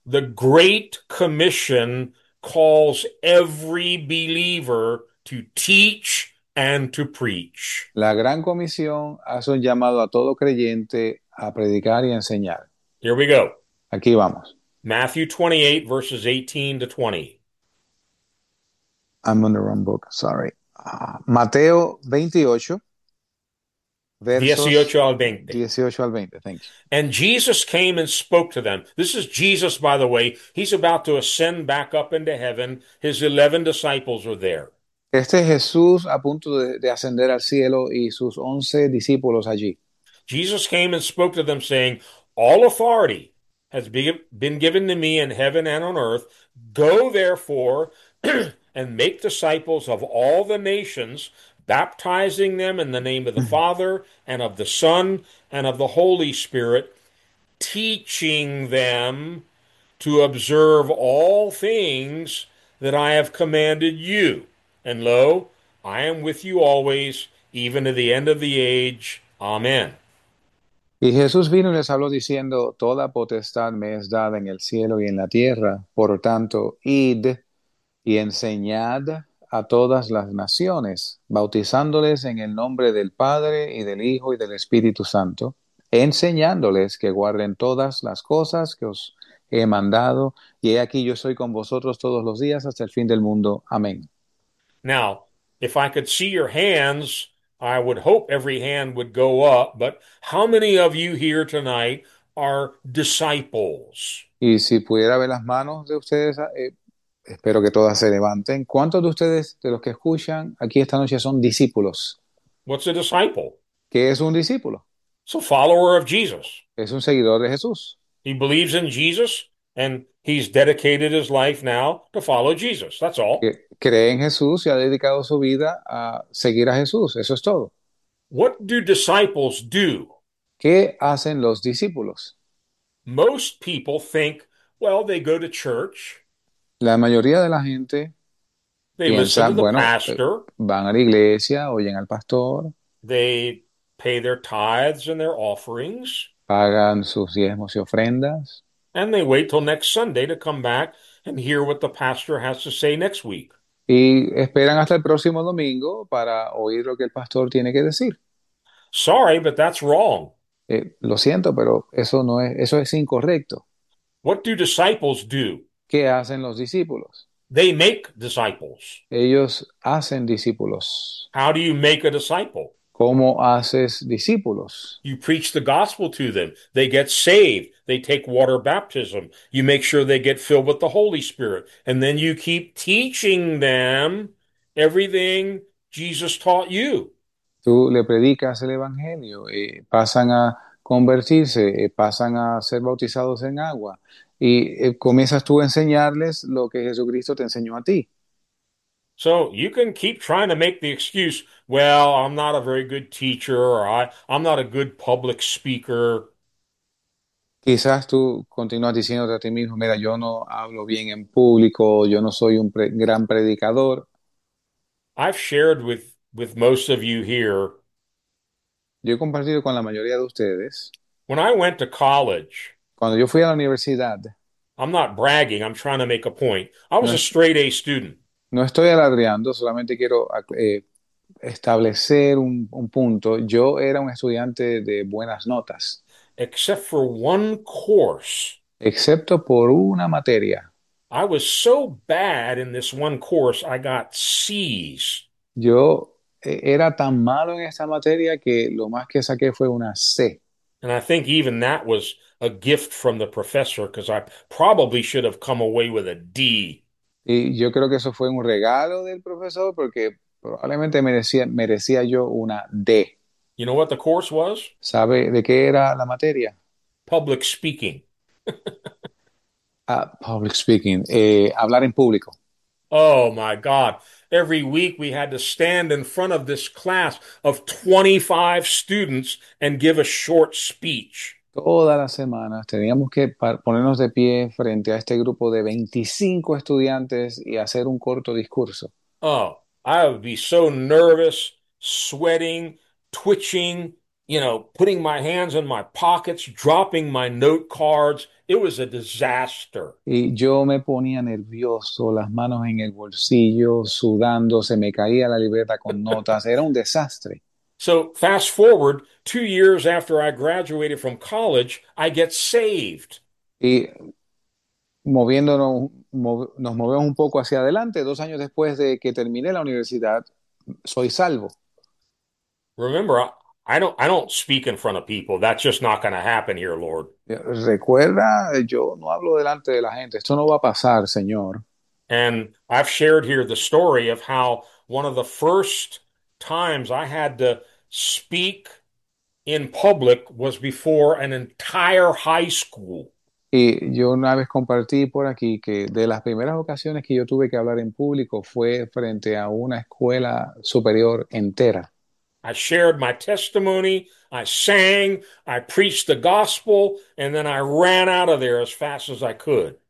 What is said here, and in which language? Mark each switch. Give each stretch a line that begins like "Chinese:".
English: The Great Commission calls every believer to teach and to preach.
Spanish: La gran comisión hace un llamado a todo creyente a predicar y a enseñar.
English: Here we go.
Spanish: Aquí vamos.
English: Matthew 28, verses 18 to 20. I'm on the wrong book, sorry.
Spanish: Mateo 28, versos 18 al 20. 18 al 20,
English: thank you. And Jesus came and spoke to them. This is Jesus, by the way. He's about to ascend back up into heaven. His 11 disciples are there.
Spanish: Este es Jesús a punto de ascender al cielo y sus 11 discípulos allí.
English: Jesus came and spoke to them, saying, "All authority has been given to me in heaven and on earth. Go therefore and make disciples of all the nations, baptizing them in the name of the Father and of the Son and of the Holy Spirit, teaching them to observe all things that I have commanded you. And lo, I am with you always, even to the end of the age. Amen."
Spanish: Y Jesús vino y les habló diciendo, Toda potestad me es dada en el cielo y en la tierra, por tanto, id y enseñad a todas las naciones, bautizándoles en el nombre del Padre y del Hijo y del Espíritu Santo, enseñándoles que guarden todas las cosas que os he mandado, y he aquí yo estoy con vosotros todos los días hasta el fin del mundo. Amén.
English: Now, if I could see your hands, I would hope every hand would go up, but how many of you here tonight are disciples?
Spanish: Y si pudiera ver las manos de ustedes, espero que todas se levanten. ¿Cuántos de ustedes, de los que escuchan aquí esta noche, son discípulos?
English: What's a disciple?
Spanish: ¿Qué es un discípulo?
English: It's a follower of Jesus.
Spanish: Es un seguidor de Jesús.
English: He believes in Jesus, and he's dedicated his life now to follow Jesus. That's all.
Spanish: Que cree en Jesús y ha dedicado su vida a seguir a Jesús. Eso es todo.
English: What do disciples do?
Spanish: ¿Qué hacen los discípulos?
English: Most people think, well, they go to church.
Spanish: La mayoría de la gente
English: They listen to
Spanish: piensa,
English: the
Spanish: bueno,
English: pastor.
Spanish: van a la iglesia, oyen al pastor.
English: They pay their tithes and their offerings,
Spanish: Pagan sus diezmos y ofrendas.
English: and they wait till next Sunday to come back and hear what the pastor has to say next week.
Spanish: Y esperan hasta el próximo domingo para oír lo que el pastor tiene que decir.
English: Sorry, but that's wrong.
Spanish: Lo siento, pero eso no es, eso es incorrecto.
English: What do disciples do?
Spanish: ¿Qué hacen los discípulos?
English: They make disciples.
Spanish: Ellos hacen discípulos.
English: How do you make a disciple?
Spanish: ¿Cómo haces discípulos?
English: You preach the gospel to them. They get saved. They take water baptism. You make sure they get filled with the Holy Spirit. And then you keep teaching them everything Jesus taught you.
Spanish: Tú le predicas el Evangelio, pasan a convertirse, pasan a ser bautizados en agua y comienzas tú a enseñarles lo que Jesucristo te enseñó a ti.
English: So you can keep trying to make the excuse, well, I'm not a very good teacher, or I'm not a good public speaker.
Spanish: Quizás tú continúas diciéndote a ti mismo, mira, yo no hablo bien en público, yo no soy un gran predicador.
English: I've shared with most of you here.
Spanish: Yo he compartido con la mayoría de ustedes.
English: When I went to college,
Spanish: Cuando yo fui a la universidad,
English: I'm not bragging, I'm trying to make a point. I was a straight A student.
Spanish: no estoy alardeando, solamente quiero establecer un punto. Yo era un estudiante de buenas notas,
English: Except for one course.
Spanish: excepto por una materia.
English: I was so bad in this one course, I got C's.
Spanish: Yo era tan malo en esta materia que lo más que saqué fue una C.
English: And I think even that was a gift from the professor because I probably should have come away with a D.
Spanish: Y yo creo que eso fue un regalo del profesor porque probablemente merecía yo una D.
English: You know what the course was?
Spanish: ¿Sabe de qué era la materia?
English: Public speaking. Public speaking,
Spanish: hablar en público.
English: Oh my God. Every week we had to stand in front of this class of 25 students and give a short speech.
Spanish: Todas las semanas teníamos que ponernos de pie frente a este grupo de 25 estudiantes y hacer un corto discurso.
English: Oh, I would be so nervous, sweating, twitching. You know, putting my hands in my pockets, dropping my note cards. It was a disaster.
Spanish: Y yo me ponía nervioso, las manos en el bolsillo, sudando, se me caía la libreta con notas, era un desastre.
English: So, fast forward, 2 years after I graduated from college, I get saved.
Spanish: Y moviéndonos, nos movemos un poco hacia adelante, 2 años después de que terminé la universidad, soy salvo.
English: Remember, I don't speak in front of people. That's just not going to happen here, Lord.
Spanish: Recuerda, yo no hablo delante de la gente. Esto no va a pasar, señor.
English: And I've shared here the story of how one of the first times I had to speak in public was before an entire high school.
Spanish: Y yo una vez compartí por aquí que de las primeras ocasiones que yo tuve que hablar en público fue frente a una escuela superior entera.
English: I shared my testimony, I sang, I preached the gospel, and then I ran out of there as fast as I could.